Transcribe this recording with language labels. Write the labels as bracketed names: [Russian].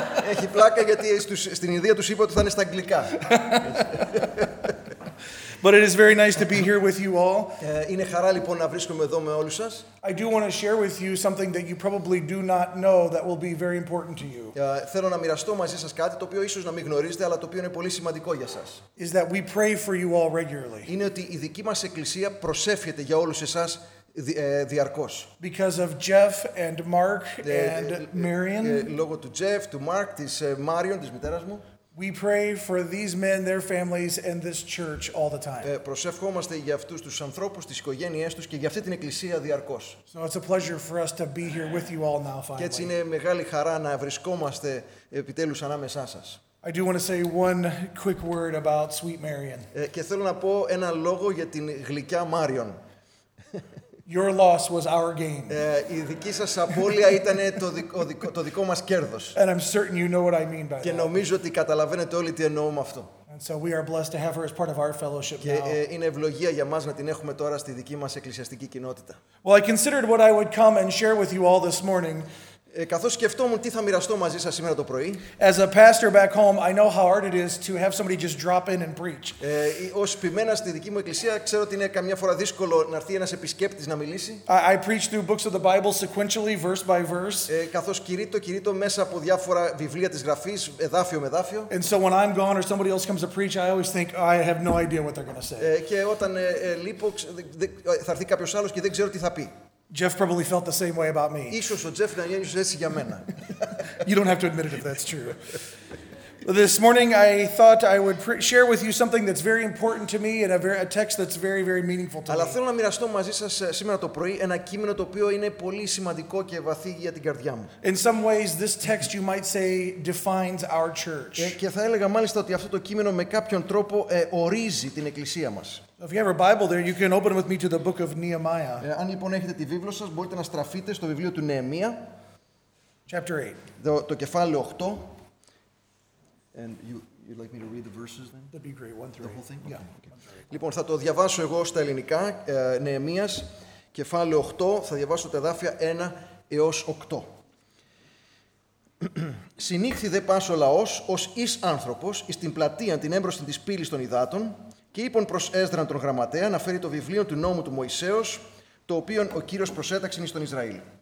[Greek] Έχει πλάκα γιατί στην Ινδία τους είπα ότι θα είναι στα αγγλικά. [English] But it is very nice to be here with you all. [Greek] Είναι χαρά λοιπόν να βρίσκομαι εδώ με όλους σας. [English] I do want to share with you something that you probably do not know that will be very important to you. [Greek] Θέλω να μοιραστώ μαζί σας κάτι το οποίο ίσως να μην γνωρίζετε αλλά το οποίο είναι πολύ σημαντικό για σας. [English] Is that we pray for you all regularly. [Greek] Είναι ότι η δική μας εκκλησία προσεύχεται για όλους εσάς. Διαρκώς. [English] Because of Jeff and Mark and Marion. [Greek] Λόγω του Jeff, του Mark, της Marion, της μητέρας μου. [English] We pray for these men, their families, and this church all the time. [Greek] Προσευχόμαστε για αυτούς τους ανθρώπους, τις οικογένειές τους και για αυτή την εκκλησία διαρκώς. [English] So it's a pleasure for us to be here with you all now, finally. [Greek] Και έτσι είναι μεγάλη χαρά να βρισκόμαστε επιτέλους ανάμεσά σας. [English] I do want to say one quick word about sweet Marion. [Greek] Και θέλω να πω ένα λόγο για την γλυκιά Marion. [English] Your loss was our gain. [Greek] Η δική σας απώλεια ήταν το δικό μας κέρδος. [English] And I'm certain you know what I mean by that. [Greek] Και νομίζω ότι καταλαβαίνετε όλοι τι εννοώ με αυτό. [English] And so we are blessed to have her as part of our fellowship now. [Greek] Και είναι ευλογία για μας να την έχουμε τώρα στη δική μας εκκλησιαστική κοινότητα. [English] Well, I considered what I would come and share with you all this morning. [Greek] Καθώς σκεφτόμουν τι θα μοιραστώ μαζί σας σήμερα το πρωί. [English] As a pastor back home, I know how hard it is to have somebody just drop in and preach. [Greek] Ως ποιμένα στη δική μου εκκλησία, ξέρω ότι είναι καμιά φορά δύσκολο να έρθει ένας επισκέπτης να μιλήσει. [English] I preach through books of the Bible sequentially, verse by verse. [Greek] Καθώς κηρύττω μέσα από διάφορα βιβλία της γραφής, εδάφιο με εδάφιο. [English] And so when I'm gone or somebody else comes to preach, I always think I have no idea what they're going to say. [Greek] Και όταν λείπω, θα έρθει κάποιος άλλος και δεν ξέρω τι θα πει. [English] Jeff probably felt the same way about me. [Greek] Ίσως ο Τζεφ να νιώθει έτσι για μένα. [English] You don't have to admit it if that's true. This morning I thought I would share with you something that's very important to me and a text that's very, very meaningful to me. [Greek] Αλλά θέλω να μοιραστώ μαζί σας σήμερα το πρωί ένα κείμενο το οποίο είναι πολύ σημαντικό και βαθύ για την καρδιά μου. [English] In some ways, this text you might say defines our church. [Greek] Και θα έλεγα μάλιστα ότι αυτό το κείμενο με κάποιον τρόπο ορίζει την εκκλησία μας. [English] If you have a Bible there, you can open with me to the book of Nehemiah. [Greek] Αν λοιπόν έχετε τη βίβλο σας, μπορείτε να στραφείτε στο βιβλίο του Νεεμία. [English] Chapter 8. [Greek] Το κεφάλαιο 8. [English] And you'd like me to read the verses then? That'd be great. 1-3. The whole thing? Yeah. [Greek] Λοιπόν, θα το διαβάσω εγώ στα ελληνικά. Νεεμίας, κεφάλαιο 8. Θα διαβάσω τα εδάφια 1 έως 8. Συνήχθη δε πας ο λαός ως εις άνθρωπος εις την πλατεία την έμπροστην της πύλης των υδάτων και είπον προς Έσδραν τον γραμματέα να φέρει το βιβλίο του νόμου του Μωυσέως, το οποίο ο Κύριος προσέταξε εις τον Ισραήλ.